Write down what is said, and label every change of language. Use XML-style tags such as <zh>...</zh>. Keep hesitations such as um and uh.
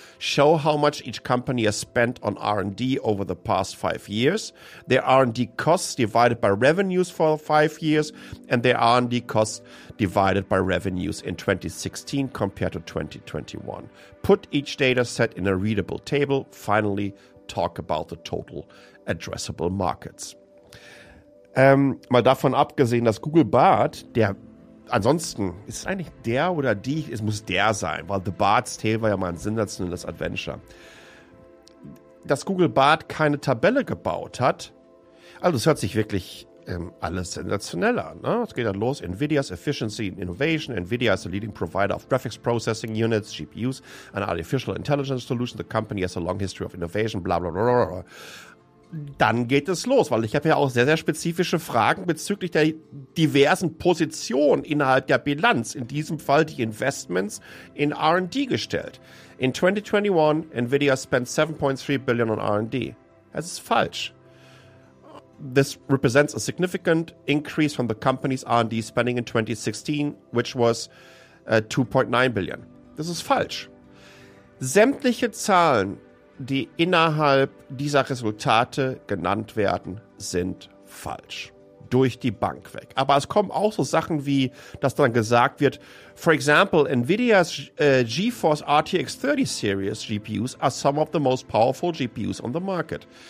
<en>Show how much each company has spent on R&D over the past five years, their R&D costs divided by revenues for five years, and their R&D costs divided by revenues in 2016 compared to 2021. Put each data set in a readable table. Finally, talk about the total addressable markets.</en> <de>Ähm, mal davon abgesehen, dass Google Bart, der ansonsten ist es eigentlich der oder die, es muss der sein, weil The Bart's Tale war ja mal ein sensationelles Adventure. Dass Google Bart keine Tabelle gebaut hat, also es hört sich wirklich ähm, alles sensationell an. Ne? Es geht dann los.</de> <en>Nvidia's Efficiency in Innovation. Nvidia is a leading provider of graphics processing units, GPUs, and artificial intelligence solutions. The company has a long history of innovation, bla bla bla bla. bla.</en> <de>dann geht es los, weil ich habe ja auch sehr, sehr spezifische Fragen bezüglich der diversen Positionen innerhalb der Bilanz, in diesem Fall die Investments in RD gestellt.</de> <en>In 2021 Nvidia spent 7.3 billion on RD.</en> <de>Das ist falsch.</de> <en>This represents a significant increase from the company's RD spending in 2016, which was uh, 2.9 billion.</en> <de>Das ist falsch. Sämtliche Zahlen die innerhalb dieser Resultate genannt werden, sind falsch. Durch die Bank weg. Aber es kommen auch so Sachen wie, dass dann gesagt wird,</de> <en>for example, Nvidia's äh, GeForce RTX 30 Series GPUs are some of the most powerful GPUs on the market.</en>